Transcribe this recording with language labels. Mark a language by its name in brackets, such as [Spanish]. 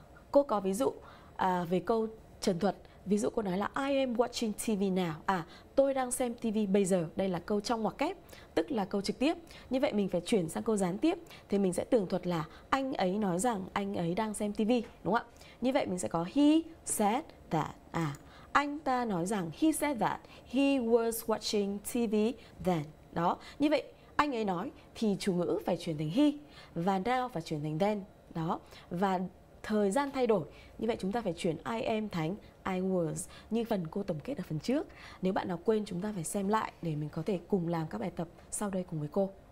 [Vietnamese] Cô có ví dụ về câu trần thuật. Ví dụ cô nói là [English] I am watching TV now. [Vietnamese] À, tôi đang xem TV bây giờ. Đây là câu trong ngoặc kép, tức là câu trực tiếp. Như vậy mình phải chuyển sang câu gián tiếp thì mình sẽ tường thuật là anh ấy nói rằng anh ấy đang xem TV, đúng không ạ? Như vậy mình sẽ có [English] he said that. [Vietnamese] À, anh ta nói rằng [English] he said that he was watching TV then. [Vietnamese] Đó, như vậy anh ấy nói thì chủ ngữ phải chuyển thành he và now phải chuyển thành then. Đó, và thời gian thay đổi, như vậy chúng ta phải chuyển I am thành I was như phần cô tổng kết ở phần trước. Nếu bạn nào quên chúng ta phải xem lại để mình có thể cùng làm các bài tập sau đây cùng với cô.